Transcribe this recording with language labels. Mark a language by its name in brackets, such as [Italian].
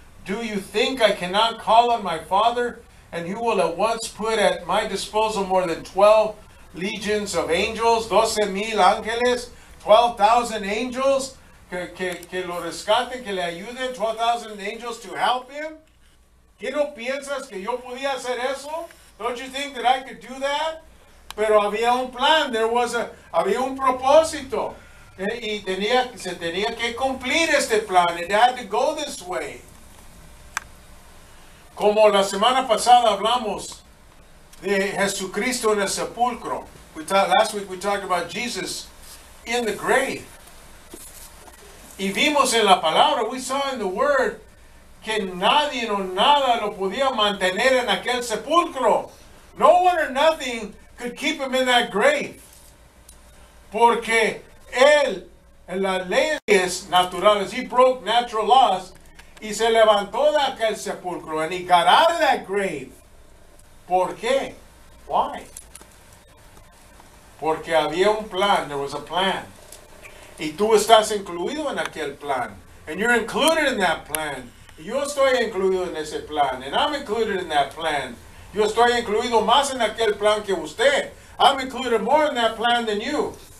[English] Do you think I cannot call on my Father, and he will at once put at my disposal more than 12 legions of angels, [Spanish] 12,000 ángeles, [English] 12,000 angels, [Spanish] que lo rescaten, que le ayuden, [English] 12,000 angels to help him? [Spanish] ¿Qué no piensas que yo podía hacer eso? [English] Don't you think that I could do that? [Spanish] Pero había un plan, había un propósito. Y se tenía que cumplir este plan. [English] It had to go this way. [Spanish] Como la semana pasada hablamos de Jesucristo en el sepulcro. [English] Last week we talked about Jesus in the grave. [Spanish] Y vimos en la palabra, [English] we saw in the word, [Spanish] que nadie o nada lo podía mantener en aquel sepulcro. [English] No one or nothing could keep him in that grave. [Spanish] Porque él, en las leyes naturales, [English] he broke natural laws, [Spanish] y se levantó de aquel sepulcro, [English] and he got out of that grave. [Spanish] ¿Por qué? [English] Why? [Spanish] Porque había un plan, [English] there was a plan. [Spanish] Y tú estás incluido en aquel plan. [English] And you're included in that plan. [Spanish] Yo estoy incluido en ese plan. [English] And I'm included in that plan. [Spanish] Yo estoy incluido más en aquel plan que usted. [English] I'm included more in that plan than you.